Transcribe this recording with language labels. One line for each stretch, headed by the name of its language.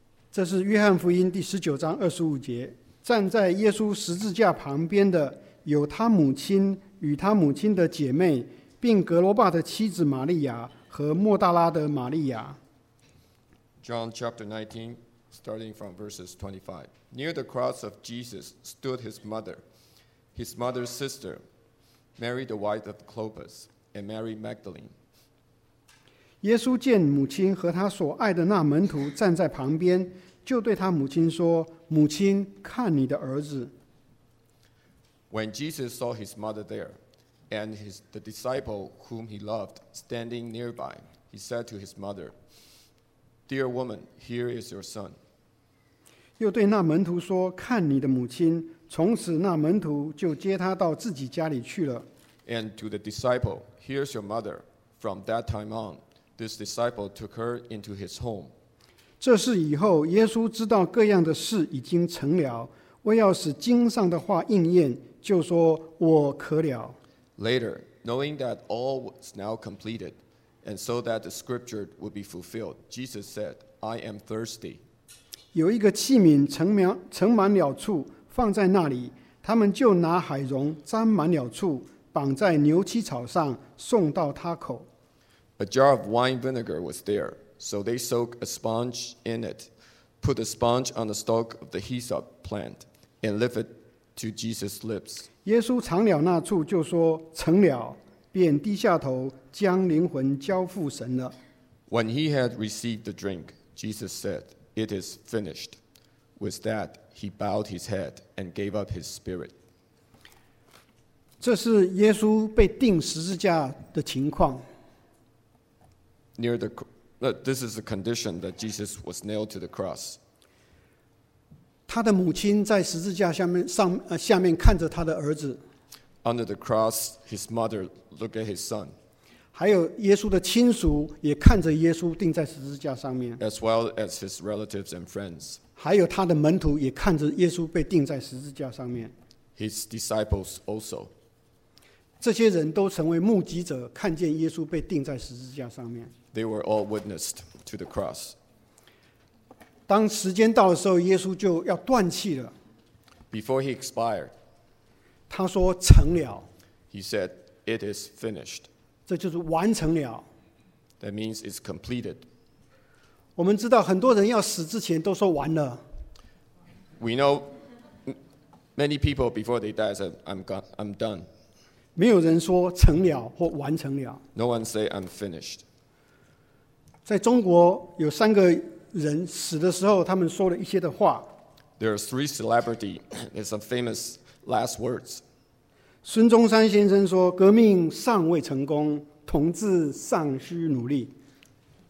Chinese: 这是约翰福音第十九章二十五节，站在耶稣十字架旁边的有他母亲与他母亲的姐妹，并格罗巴的妻子玛利亚和莫大拉的玛利亚。
English: John chapter 19, starting from verses 25. Near the cross of Jesus stood his mother's sister, Mary the wife of Clopas, and Mary Magdalene.
Chinese: 耶稣见母亲和他所爱的那门徒站在旁边，就对他母亲说，母亲，看你的儿子。
English: When Jesus saw his mother there,And the disciple whom he loved standing nearby, he said to his mother, Dear woman, here is your son.
Chinese: 又对那门徒说，看你的母亲。从此那门徒就接他到自己家里去了。
English: And to the disciple, here's your mother. From that time on, this disciple took her into his home.
Chinese: 这事以后，耶稣知道各样的事已经成了，为要使经上的话应验，就说，我渴了。
English: Later, knowing that all was now completed, and so that the scripture would be fulfilled, Jesus said, I am thirsty.
Chinese: 有一个器皿盛满了醋，放在那里，他们就拿海蓉沾满了醋，绑在牛膝草上，送到他口。
English: A jar of wine vinegar was there, so they soaked a sponge in it, put a sponge on the stalk of the hyssop plant, and lift it to Jesus' lips.
Chinese: 耶稣尝了那醋，就说成了，便低下头，将灵魂交付神了。
English: When he had received the drink, Jesus said, "It is finished." With that, he bowed his head and gave up his spirit.
Chinese: 这是耶稣被钉十字架的情况。
English: This is the condition that Jesus was nailed to the cross.
Chinese: 他的母亲在十字架下面看着他的儿子。
English: Under the cross, his mother looked at his son.
Chinese: 还有耶稣的亲属也看着耶稣钉在十字架上面。
English: As well as his relatives and friends.
Chinese: 还有他的门徒也看着耶稣被钉在十字架上面。
English: His disciples also.
Chinese: 这些人都成为目击者，看见耶稣被钉在十字架上面。
English: They were all witnessed to the cross.
Chinese: 当时间到的时候，耶稣就要断气了。
English: Before he expired,
Chinese: 他说成了。
English: He said, "It is finished."
Chinese: 这就是完成了。
English: That means it's completed.
Chinese: 我们知道很多人要死之前都说完了。
English: We know many people before they die said, "I'm done."
Chinese: 没有人说成了或完成了。
English: No one say I'm finished.
Chinese: 在中国有三个。人死的时候，他们说了一些的话。
English: There are three celebrities. There's some famous last words.
Chinese: 孙中山先生说：“革命尚未成功，同志尚需努力。”